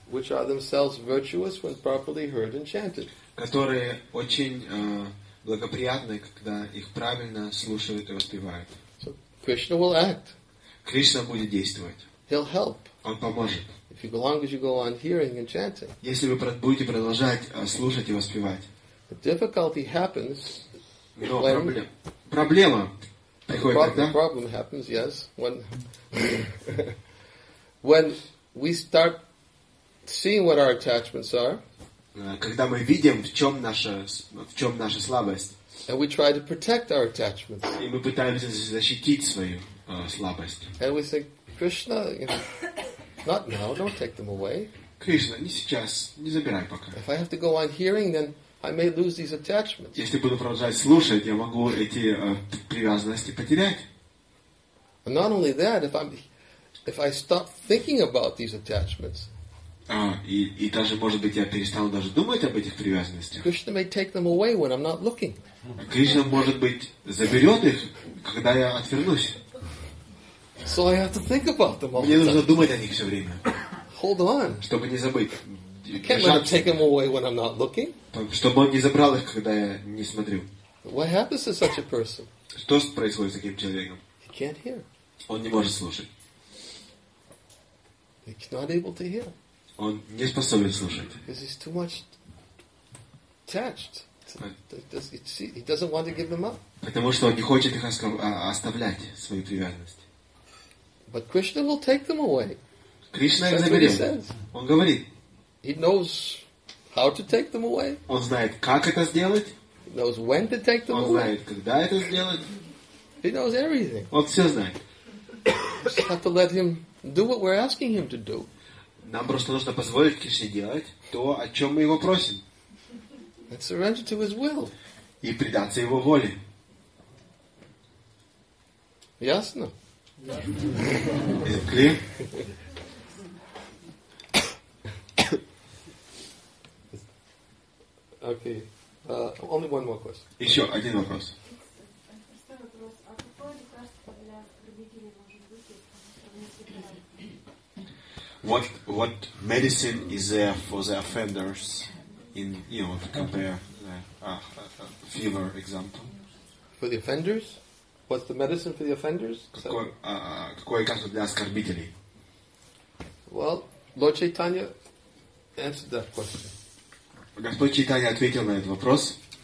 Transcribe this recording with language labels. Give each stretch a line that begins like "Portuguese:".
English: Which are themselves virtuous when properly heard and chanted.
Russian: Которые очень благоприятны, когда их правильно слушают и воспевают.
English: So Krishna will act.
Russian: Кришна будет действовать.
English: He'll help.
Russian: Он поможет.
English: If you go long as you go on hearing and chanting.
Russian: Если вы будете продолжать слушать и воспевать.
English: The difficulty happens.
Russian: Но проблема приходит тогда.
English: Problem happens, yes, when when we start seeing what our attachments are.
Russian: Когда мы видим, в чем наша слабость.
English: And we try to protect our attachments.
Russian: И мы пытаемся защитить свою слабость.
English: And we say, Krishna, you know, not now, don't take them away.
Russian: Кришна, не сейчас, не забирай пока.
English: If I have to go on hearing, then I may lose these attachments.
Russian: Если буду продолжать слушать, я могу эти привязанности потерять.
English: And not only that, if I'm if I stop thinking about these attachments,
Russian: И даже, может быть, я перестану даже думать об этих привязанностях.
English: Krishna may take them away when I'm not looking.
Russian: Кришна, может быть, заберет их, когда я отвернусь.
English: So I have to think about them all
Russian: Мне нужно думать о них все время.
English: Hold on.
Russian: Чтобы не забыть.
English: I can't let him take them away when I'm not looking.
Russian: Чтобы он не забрал их, когда я не смотрю.
English: What happens to such a person?
Russian: Что происходит с таким человеком?
English: He can't hear.
Russian: Он не может слушать.
English: He's not able to hear.
Russian: Он не способен слушать.
English: Because he's too much attached. He doesn't want to give them up.
Russian: Потому что он не хочет их оставлять, свою привязанность.
English: But Krishna will take them away.
Russian: Кришна их заберет. Он говорит.
English: He knows how to take them away.
Russian: Он знает, как это сделать.
English: He knows when to take them away.
Russian: Он знает, когда это сделать.
English: He knows everything.
Russian: Он все знает.
English: Just have to let him do what we're asking him to do.
Russian: Нам просто нужно позволить Кришне делать то, о чем мы его просим.
English: And surrender to his will.
Russian: И предаться его воле. Ясно?
English: Is it clear? Okay. Only one more question.
Russian: Еще один вопрос.
English: What medicine is there for the offenders in, you know, to compare fever example? For the offenders? What's the medicine for the offenders?
Russian: Какое лекарство для оскорбителей?
English: Well, Lord Chaitanya answered that question.
Russian: Господь Чайтанья ответил на этот вопрос.